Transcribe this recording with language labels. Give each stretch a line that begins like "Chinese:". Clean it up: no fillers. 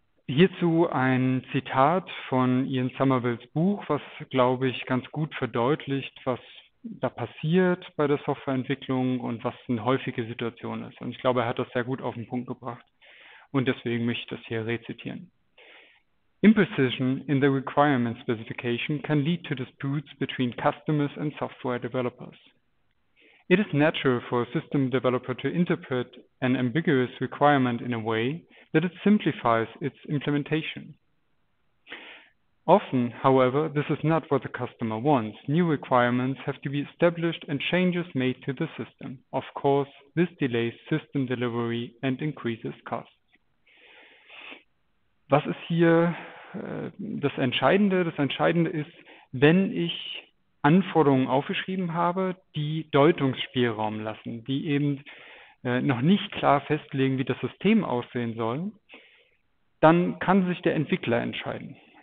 German: Hierzu ein Zitat von Ian Somervilles Buch, was, glaube ich, ganz gut verdeutlicht, was da passiert bei der Softwareentwicklung und was eine häufige Situation ist. Und ich glaube, er hat das sehr gut auf den Punkt gebracht. Und deswegen möchte ich das hier rezitieren.
English: Imprecision in the requirement specification can lead to disputes between customers and software developers. It is natural for a system developer to interpret an ambiguous requirement in a way that it simplifies its implementation. Often, however, this is not what the customer wants. New requirements have to be established and changes made to the system. Of course, this delays system delivery and increases costs.
German: Was ist hier das Entscheidende? Das Entscheidende ist, wenn ich Anforderungen aufgeschrieben habe, die Deutungsspielraum lassen, die eben noch nicht klar festlegen, wie das System aussehen soll, dann kann sich der Entwickler entscheiden.